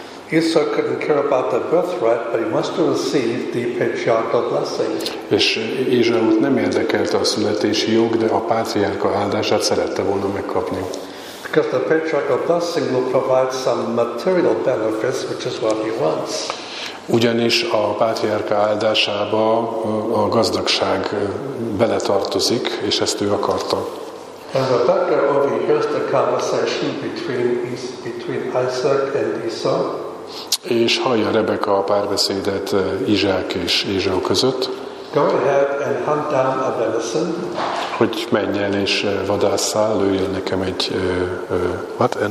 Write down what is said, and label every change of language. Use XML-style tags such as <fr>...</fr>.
<en>Esau couldn't care about the birthright, but he wants to receive the patriarchal blessing.</en> <hu>És Ézsaút nem érdekelte a születési jog, de a pátriárka áldását szerette volna megkapni.</hu> <en>Because the patriarchal blessing will provide some material benefits, which is what he wants.</en> <hu>Ugyanis a pátriárka áldásába a gazdagság beletartozik, és ezt ő akarta.</hu> <en>And Rebecca overhears the conversation between Isaac and Esau.</en> <hu>És hallja Rebecca a párbeszédet Izsák és Ézsau között.</hu> <en>Go ahead and hunt down a venison.</en> <hu>Hogy menjen és vadásszál, lőjön nekem egy</hu> <en>what?</en>